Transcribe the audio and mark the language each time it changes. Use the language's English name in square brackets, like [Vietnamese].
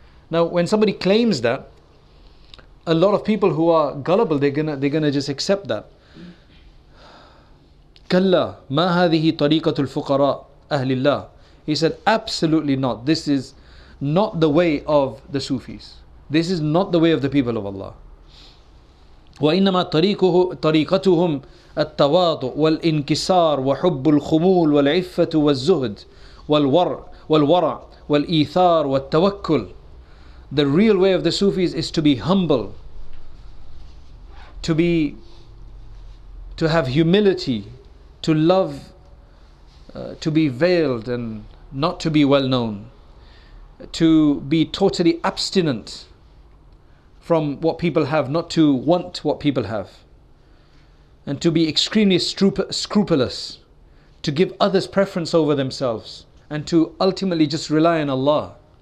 [English] Now, when somebody claims that, a lot of people who are gullible, they're gonna just accept that. [Arabic] كَلَّا مَا هَذِهِ طَرِيقَةُ الْفُقَرَاءِ أَهْلِ اللَّهِ. [English] He said, absolutely not. This is not the way of the Sufis. This is not the way of the people of Allah. [Arabic] وَإِنَّمَا طَرِيقَتُهُمْ التواضع والانكسار وحب الخمول والعفة والزهد والورع والإيثار والتوكل. [English] The real way of the Sufis is to be humble, to have humility, to love, to be veiled and not to be well known, to be totally abstinent from what people have, not to want what people have, and to be extremely scrupulous, to give others preference over themselves, and to ultimately just rely on Allah.